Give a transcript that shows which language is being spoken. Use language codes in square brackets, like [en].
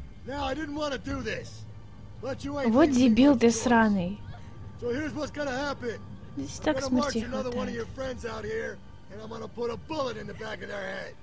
[en] Now I didn't want to do this. But you ain't. [ru] Вот дебил ты сраный. [en] So here's what's gonna happen. [ru] Здесь так смерти хватает. [en] And I'm gonna put a bullet in the back of their head.